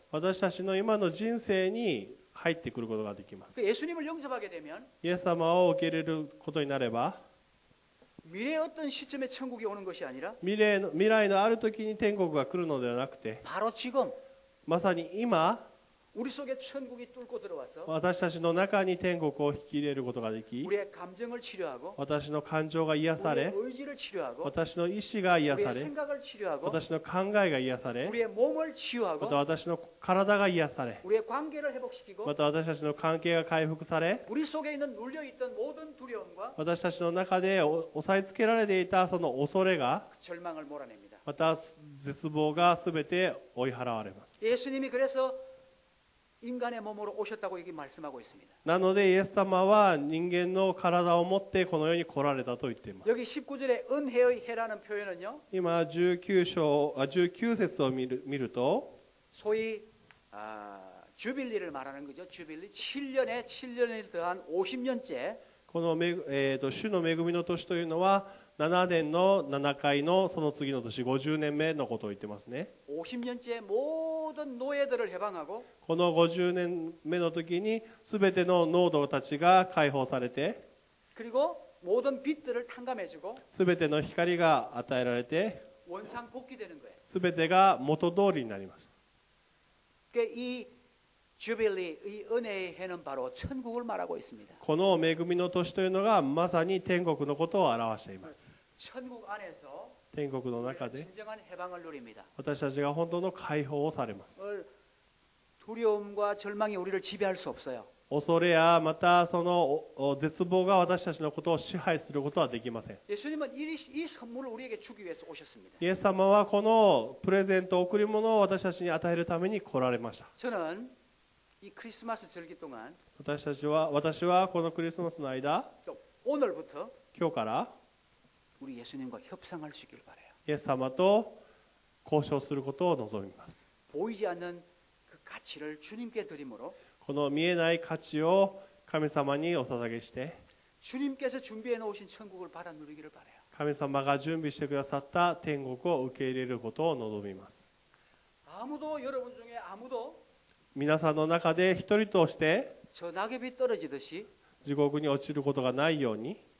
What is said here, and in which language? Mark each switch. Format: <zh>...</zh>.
<ja>私たちの今の人生に入ってくることができます</ja> <ko>예수님을영접하게되면</ko> <ja>イエス様を受け入れることになれば</ja> <ko>미래의어떤시점에천국이오는것이아니라</ko> <ja>未来のある時に天国が来るのではなくて</ja> <ko>바로지금</ko> <ja>まさに今</ja> <ko>우리속에천국이뚫고들어와서</ko> <ja>私たちの中に天国を引き入れることができ</ja> <ko>우리의감정을치료하고</ko> <ja>私の感情が癒され</ja> <ko>우리의의지를치료하고</ko> <ja>私の意志が癒され</ja> <ko>우리의생각을치료하고</ko> <ja>私の考えが癒され</ja> <ko>우리의몸을치유하고</ko> <ja>また私の体が癒され</ja> <ko>우리의관계를회복시키고</ko> <ja>また私たちの関係が回復され</ja> <ko>우리속에있는눌려있던모든두려움과</ko> <ja>私たちの中で押さえつけられていたその恐れが</ja> <ko>절망을몰아냅니다</ko> <ja>また絶望がすべて追い払われます</ja> <ko>예수님이그래서인간의몸으로오셨다고여기말씀하고있습니다</ko> <ja>なのでイエス様は人間の体を持ってこの世に来られたと言っています</ja> <ko>여기19절의은혜의해라는표현은요</ko> <ja>今19節を見ると</ja> <ko>소위주빌리를말하는거죠주빌리7년에7년을더한50년째</ko> <ja>この主の恵みの年というのは7年の7回のその次の年50年目のことを言ってますね</ja> <ko>50년째모든노예들을해방하고</ko> <ja>この50年目の時に全ての奴隷たちが解放されて</ja> <ko>그리고모든빛들을탕감해주고</ko> <ja>全ての光が与えられて</ja> <ko>원상복귀되는거예요</ko> <ja>全てが元通りになります</ja> <ko>いいジュビリー의은혜의해는바로천국을말하고있습니다</ko> <ja>この恵みの年というのがまさに天国のことを表しています</ja> <ko>천국안에서</ko> <ja>天国の中で</ja> <ko>진정한해방을누립니다</ko> <ja>私たちが本当の解放をされます</ja> <ko>두려움과절망이우리를지배할수없어요</ko> <ja>恐れやまたその絶望が私たちのことを支配することはできません</ja> <ko>예수님은 이 선물을 우리에게 주기 위해서 오셨습니다</ko> <ja>イエス様はこのプレゼント贈り物を私たちに与えるために来られました</ja> <ko>저는이크리스마스절기동안</ko> <ja>私はこのクリスマスの間</ja> <ko>오늘부터</ko> <ja>今日から</ja> <ko>우리예수님과협상할수있기를바라요</ko> <ja>イエス様と交渉することを望みます</ja> <ko>보이지않는그가치를주님께드림으로</ko> <ja>この見えない価値を神様にお捧げして</ja> <ko>주님께서준비해놓으신천국을받아누리기를바라요</ko> <ja>神様が準備してくださった天国を受け入れることを望みます</ja> <ko>아무도여러분중에아무도</ko> <ja>皆さんの中で一人として地獄に落ちることがないように</ja>